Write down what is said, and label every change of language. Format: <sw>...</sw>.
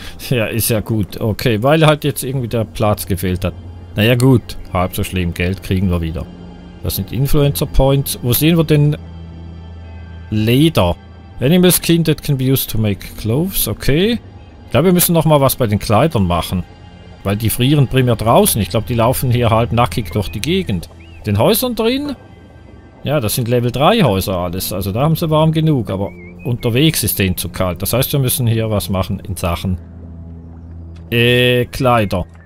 <de>ja, ist ja gut. Okay, weil halt jetzt irgendwie der Platz gefehlt hat. Naja gut, halb so schlimm. Geld kriegen wir wieder. Das sind Influencer Points. Wo sehen wir denn Leder?</de> <en>Animal skin that can be used to make clothes. Okay.</en> <de>Ich glaube, wir müssen noch mal was bei den Kleidern machen. Weil die frieren primär draußen. Ich glaube, die laufen hier halb nackig durch die Gegend. Den Häusern drin? Ja, das sind Level 3 Häuser alles. Also da haben sie warm genug. Aber unterwegs ist denen zu kalt. Das heißt, wir müssen hier was machen in Sachen Kleider.</de>